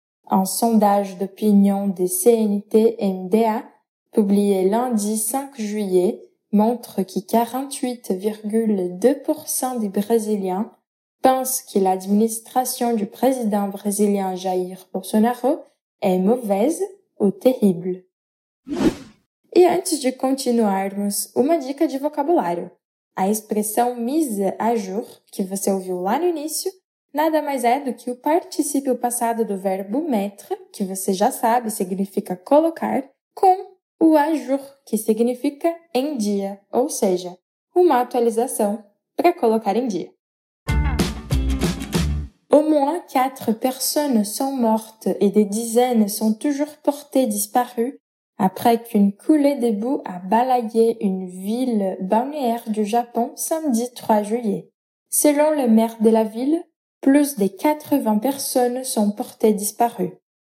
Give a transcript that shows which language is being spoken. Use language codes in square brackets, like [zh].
[fr] Un sondage d'opinion des CNT-MDA, publié lundi 5 juillet, montre que 48,2% des Brésiliens pensent que l'administration du président brésilien Jair Bolsonaro est mauvaise ou terrible. [pt] Et antes de continuarmos, uma dica de vocabulário. A expressão mise à jour, que você ouviu lá no início, nada mais é do que o participio passado do verbo mettre, que você já sabe, significa colocar, com o à jour, que significa em dia, ou seja, uma atualização para colocar em dia. [fr] Au moins 4 personnes sont mortes et des dizaines sont toujours portées disparues après qu'une coulée de boue a balayé une ville balnéaire du Japon samedi 3 juillet. Selon le maire de la ville, plus de 80 personnes sont portées disparues.